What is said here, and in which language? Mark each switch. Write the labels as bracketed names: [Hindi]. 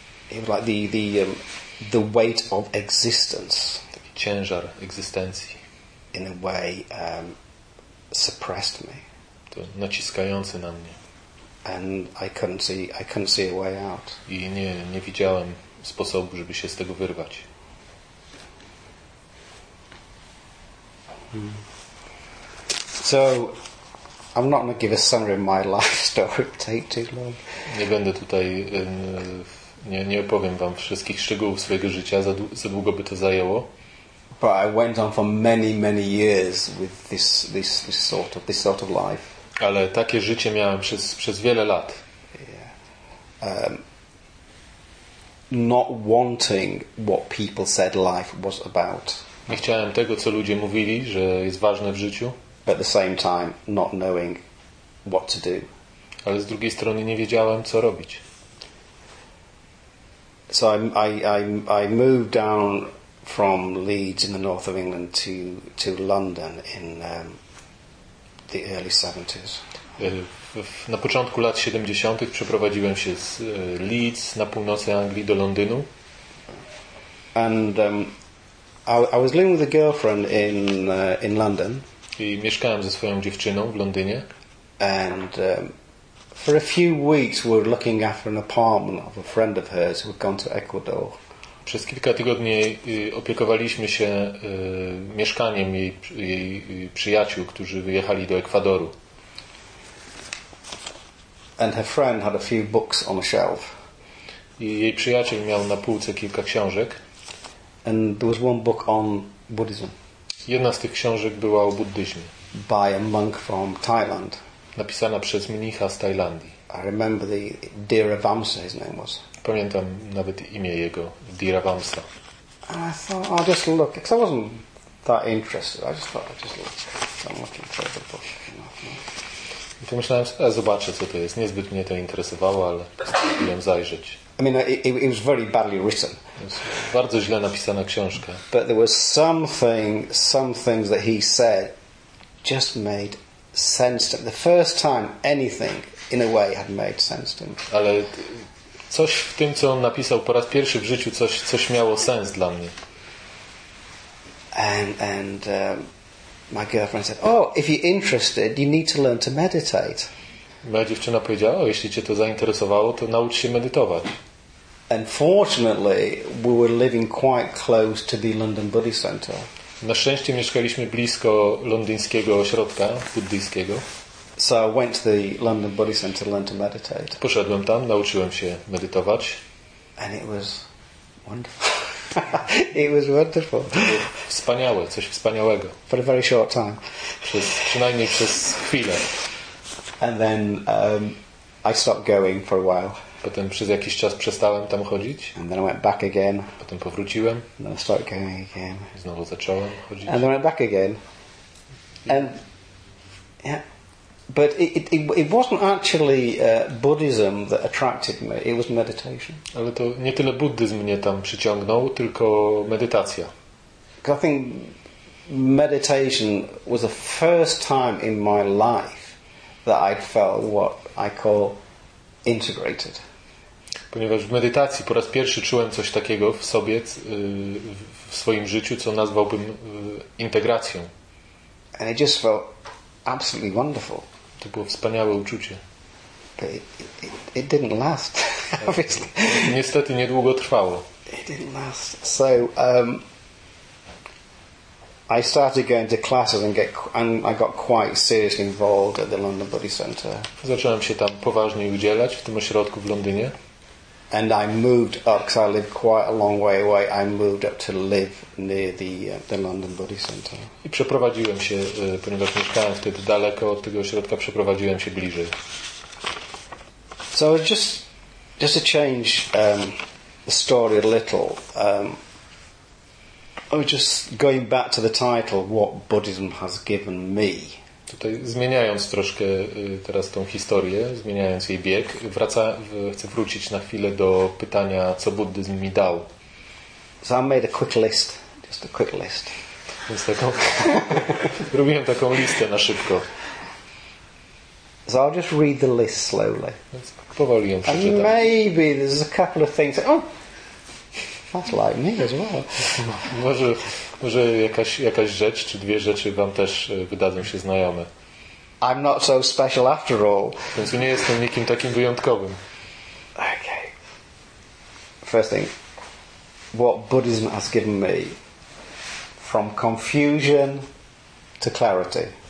[English] Like the weight of existence. [Polish] Taki ciężar egzystencji. [English] In a way suppressed me. [Polish] To naciskające na mnie. [English] And I couldn't see a way out. [Polish] I nie widziałem sposobu, żeby się z tego wyrwać. [English] So I'm not going to give a summary of my life story, take too long. [Polish] Nie będę tutaj, nie opowiem wam wszystkich szczegółów swojego życia, za długo by to zajęło. [English] But I went on for many, many years with this sort of life. [Polish] Ale takie życie miałem przez wiele lat. [English] Yeah. Not wanting what people said life was about. [Polish] Nie chciałem tego, co ludzie mówili, że jest ważne w życiu. [English] But at the same time, not knowing what to do. [Polish] Ale z drugiej strony nie wiedziałem, co robić. [English] So I moved down from Leeds in the north of England to London in the early 70s. [Polish] Na początku lat 70. przeprowadziłem się z Leeds na północy Anglii do Londynu. [English] And I was living with a girlfriend in London. [Polish] I mieszkałem ze swoją dziewczyną w Londynie. [English] And for a few weeks we were looking after an apartment of a friend of hers who had gone to Ecuador. [Polish] Przez kilka tygodni opiekowaliśmy się mieszkaniem jej przyjaciół, którzy wyjechali do Ekwadoru. [English] And her friend had a few books on the shelf. [Polish] I jej przyjaciel miał na półce kilka książek. [English] And there was one book on Buddhism. [Polish] Jedna z tych książek była o buddyzmie. [English] By a monk from Thailand. [Polish] Napisana przez mnicha z Tajlandii. [English] I remember the Dhiravamsa his name was. [Polish] Pamiętam nawet imię jego, Dhiravamsa. [English] And I thought, I'll just look, because I wasn't that interested. I just thought, I'll just look. I'm looking for the book. [Polish] I pomyślałem, zobaczę, co to jest. Niezbyt mnie to interesowało, ale postanowiłem zajrzeć. [English] I mean, it was very badly written. [Polish] Bardzo źle napisana książka. [English] But there was some things that he said just made sense to me. The first time anything in a way had made sense to me. [Polish] Ale coś w tym, co on napisał po raz pierwszy w życiu, coś miało sens dla mnie. [English] My girlfriend said, "Oh, if you're interested, you need to learn to meditate." [Polish] Moja dziewczyna powiedziała, o, jeśli cię to zainteresowało, to naucz się medytować. [English] Unfortunately, we were living quite close to the London Buddhist Center. [Polish] Na szczęście mieszkaliśmy blisko londyńskiego ośrodka buddyjskiego. [English] So I went to the London Buddhist Center to learn to meditate. [Polish] Poszedłem tam, nauczyłem się medytować. [English] And it was wonderful. It was wonderful. [Polish] Wspaniałe, coś wspaniałego. [English] For a very short time. [Polish] Przynajmniej przez chwilę. [English] And then I stopped going for a while. [Polish] Potem przez jakiś czas przestałem tam chodzić. [English] And then I went back again. [Polish] Potem powróciłem. [English] And then I started going again. [Polish] Znowu zacząłem chodzić. [English] And then I went back again. And yeah, but it wasn't actually Buddhism that attracted me. It was meditation. [Polish] Ale to nie tyle buddyzm mnie tam przyciągnął, tylko medytacja. [English] I think meditation was the first time in my life that I felt what I call integrated. [Polish] Ponieważ w medytacji po raz pierwszy czułem coś takiego w sobie, w swoim życiu, co nazwałbym integracją. [English] And it just felt absolutely wonderful. [Polish] To było wspaniałe uczucie. [English] But it didn't last, obviously. [Polish] Niestety niedługo trwało. [English] It didn't last. So I started going to classes and I got quite seriously involved at the London Buddhist Center. [Polish] Zacząłem się tam poważnie udzielać w tym ośrodku w Londynie. [English] And I moved up, because I lived quite a long way away. I moved up to live near the London Buddhist Center. [Polish] I przeprowadziłem się, ponieważ mieszkałem wtedy daleko od tego ośrodka, przeprowadziłem się bliżej. [English] So just to change the story a little. Oh, just going back to the title, what Buddhism has given me. [Polish] Tutaj zmieniając troszkę teraz tą historię, zmieniając jej bieg, chcę wrócić na chwilę do pytania, co buddyzm mi dał. [English] So I made a quick list. Just a quick list. [Polish] Więc taką, robiłem taką listę na szybko. [English] So I'll just read the list slowly. [Polish] Więc powoli ją przeczytam. [English] And maybe there's a couple of things. That's like me as well. [Polish] Może jakaś rzecz czy dwie rzeczy wam też wydadzą się znajome. [English] I'm not so special after all. [Polish] Więc nie jestem nikim takim wyjątkowym. [English] Okay. First thing, what Buddhism has given me, from confusion to clarity.